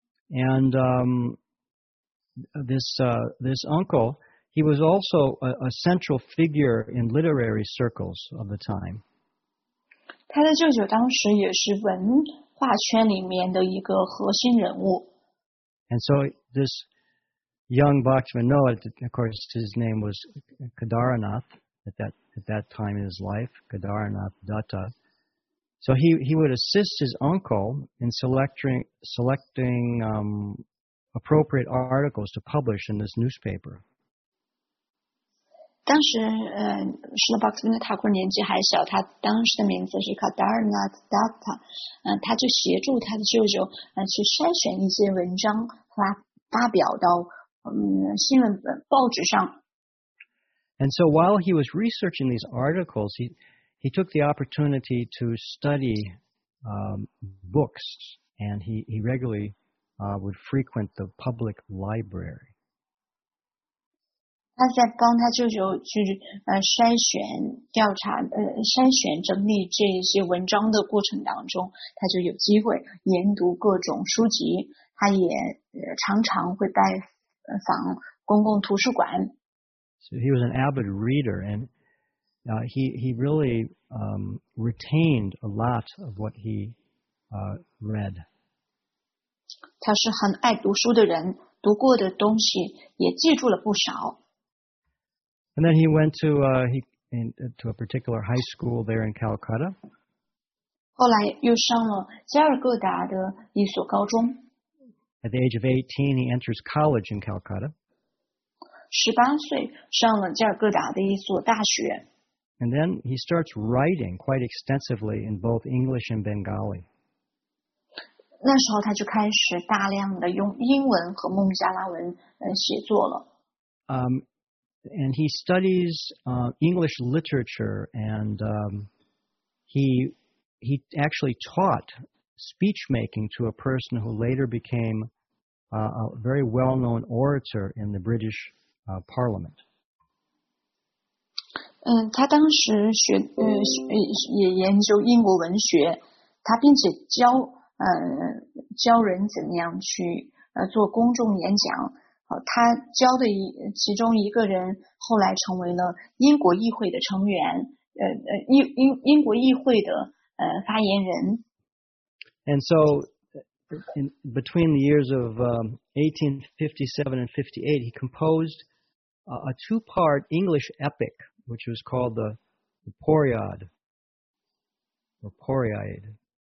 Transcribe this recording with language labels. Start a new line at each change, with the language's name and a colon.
English: And this uncle, he was also a central figure in literary circles of the time.
Chinese: 他的舅舅当时也是文化圈里面的一个核心人物。
English: And so this. Young Bhaktivinoda, of course, his name was Kedaranath at that time in his life, Kedaranath Dutta. So he would assist his uncle in selecting appropriate articles to publish in this newspaper.
Chinese: 当时，是的 ，Bhaktivinoda Thakur 年纪还小，他当时的名字是 Kedaranath Dutta。他就协助他的舅舅去筛选一些文章发表到。新闻报纸上。
English: And so while he was researching these articles, he took the opportunity to study books, and he regularly would frequent the public library.
Chinese: 他在帮他舅舅去筛选、调查、筛选、整理这些文章的过程当中，他就有机会研读各种书籍。他也常常会拜访公共图书馆。
English: So he was an avid reader, and he really retained a lot of what he read.
Chinese: 他是很爱读书的人，读过的东西也记住了不少。
English: And then he went to to a particular high school there in Calcutta.
Chinese: 后来又上了加尔各答的一所高中。
English: At the age of 18, he enters college in Calcutta.
Chinese: 18岁上了加尔各答的一所大学。
English: And then he starts writing quite extensively in both English and Bengali.
Chinese: 那时候他就开始大量的用英文和孟加拉文写作了。
English: And he studies English literature, and he actually taught speech making to a person who later became a very well known orator in the British Parliament.
Chinese: 他当时学也研究英国文学，他并且教人怎样去做公众演讲。他教的其中一个人后来成为了英国议会的成员，英国议会的发言人。
English: And so, in between the years of 1857 and 58, he composed a two-part English epic, which was called the Poriad, or Poriad.